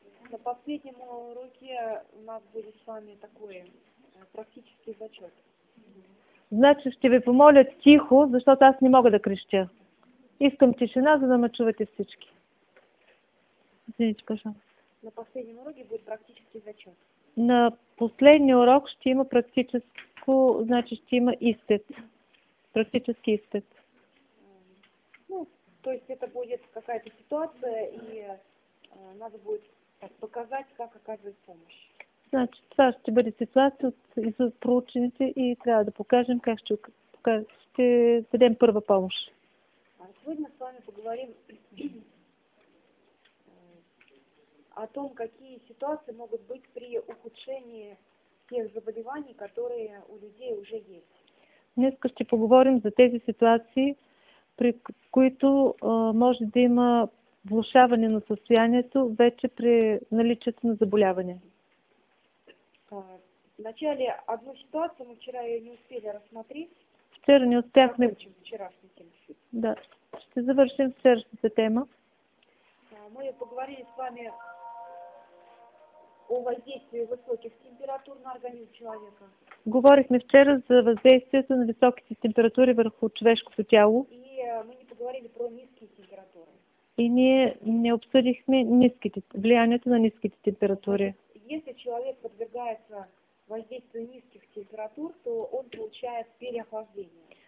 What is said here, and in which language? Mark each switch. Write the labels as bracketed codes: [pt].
[ru] На последнем уроке у нас будет с вами такой практический зачет. Значит, что вы помолят тихо, потому что я не могу до крещения. [bg] Искам тишина, за нами чувати всички. [ru] Извините, пожалуйста. На последнем уроке будет практический зачет. [bg] На последний урок ще има практическо, значи ще има изпит. Практически изпит. [ru] Ну, то есть это будет какая-то ситуация, и надо будет так, показать, как оказывать помощь. [bg] Значи, това ще бъде ситуация от проучените и трябва да покажем как ще, ще дадем първа помощ. [ru] Сегодня с вами поговорим о том, какие ситуации могут быть при ухудшении тех заболеваний, которые у людей уже есть. [bg] Несколько ще поговорим за тези ситуации, при които може да има влошаване на състоянието вече при наличието на заболяване. [ru] Вначале одну ситуацию мы вчера ее не успели рассмотреть. [bg] Вчера не успехме. [ru] Вчерашний телефон. Да. [bg] Ще завършим вчерашната тема. [ru] Мы поговорили с вами о въздействии высоких температур на организм человека. [bg] Говорихме вчера за въздействието на високите температури върху човешкото тяло. [ru] И мы не поговорили про низкие температури. [bg] И ние не обсъдихме ниските, влиянието на ниските температури. [ru] Если человек подвергается въздействию низких температур, то он получает переохлаждение.